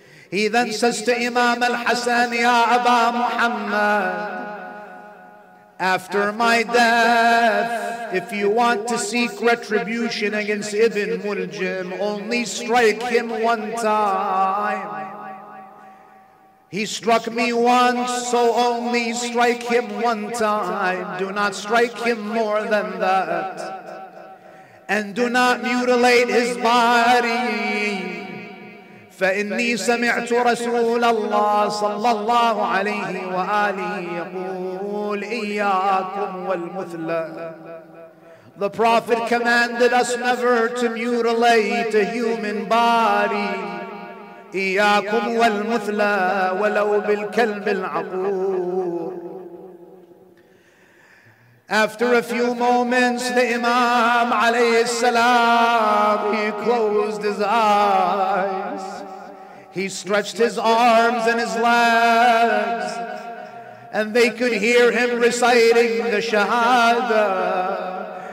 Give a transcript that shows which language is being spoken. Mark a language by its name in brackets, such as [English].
[English] He then says to Imam al-Hasan, Ya Aba Muhammad, after my death, if you want to seek retribution against Ibn Muljim, only strike him one time. He struck me once, so only strike him one time. Do not strike him more than that. And do not mutilate his body. [Arabic] فإني سمعت رسول الله صلى الله عليه وآله يقول إياكم والمثلى. [English] The Prophet commanded us never to mutilate a human body. [Arabic] إياكم والمثلى ولو بالكلب العقور. [English] After a few moments, the Imam عليه السلام, he closed his eyes. He stretched his arms and his legs, and they could hear him reciting the Shahada.